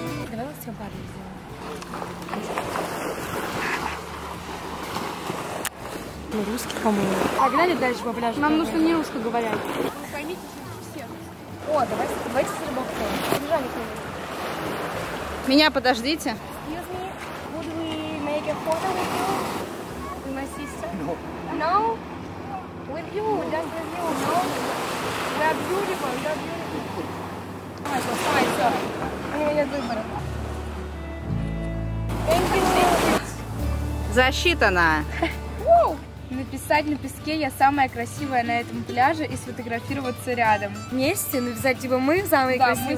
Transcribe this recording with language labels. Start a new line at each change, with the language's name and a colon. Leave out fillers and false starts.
Russian: Давай вот все парни сделаем. Ну, русский, по-моему. Погнали дальше по пляжу. Нам нужно не русскоговорящим. Вы поймите, что все. О, давайте с рыбаком. Побежали к нему. Меня подождите.
English: Excuse me, would we make a photo with you? No. No? With you, just with you, no? You are beautiful, you are beautiful.
Russian: Давай, все, давай, все. У меня нет выбора.
English: Thank you.
Russian: Засчитано. Написать на песке «Я самая красивая на этом пляже» и сфотографироваться рядом. Вместе? Написать, типа, мы самые красивые?